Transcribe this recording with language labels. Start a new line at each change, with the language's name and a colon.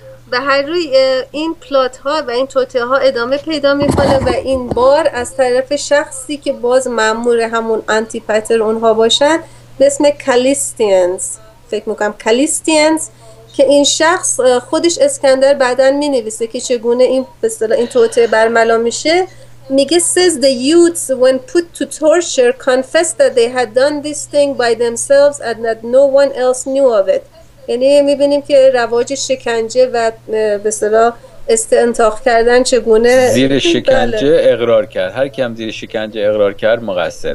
Persian: به هر روی این پلات ها و این توطئه ها ادامه پیدا میکنه و این بار از طرف شخصی که باز مأمور همون آنتی پتر اونها باشن به اسم کالیستینز، فکر میکنم کالیستینز، که این شخص خودش اسکندر بعدن مینویسه که چگونه این به اصطلاح این توطئه برملا میشه. میگه
English: says the youths when put to torture confessed that they had done this thing by themselves and that no one else knew of it.
Persian: یعنی میبینیم که رواج شکنجه و به اصطلاح استنتاق کردن چگونه زیر شکنجه اقرار کرد، هر کی هم زیر شکنجه اقرار کرد مقصره.